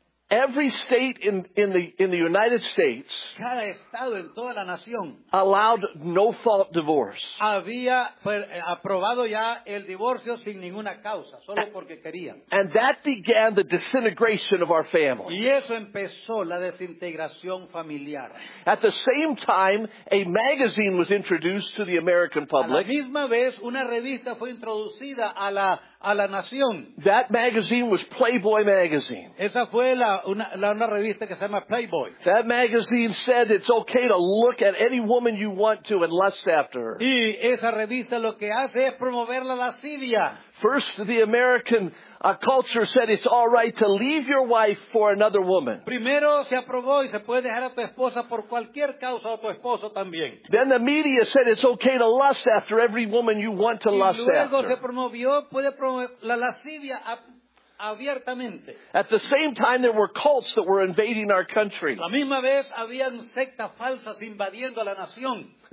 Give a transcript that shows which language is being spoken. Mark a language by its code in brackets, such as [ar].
[en] every state in the United States, [es] cada estado en toda la nación, [en] allowed no-fault divorce. [es] Había aprobado ya el divorcio sin ninguna causa, solo porque querían. [en] And that began the disintegration of our family. [es] Y eso empezó la desintegración familiar. [en] At the same time, a magazine was introduced to the American public. [es] A la misma vez, una revista fue introducida a la nación. [en] That magazine was Playboy magazine. [es] Esa fue una revista que se llama Playboy. [en] That magazine said it's okay to look at any woman you want to and lust after her. [es] Y esa revista lo que hace es promover la lascivia. [en] First, the American culture said it's all right to leave your wife for another woman. [es] Primero se aprobó y se puede dejar a tu esposa por cualquier causa o a tu esposo también. [en] Then the media said it's okay to lust after every woman you want to lust after. [es] Y luego se promovió, puede promover la lascivia abiertamente. [en] At the same time, there were cults that were invading our country. [es] La misma vez habían sectas falsas invadiendo la nación.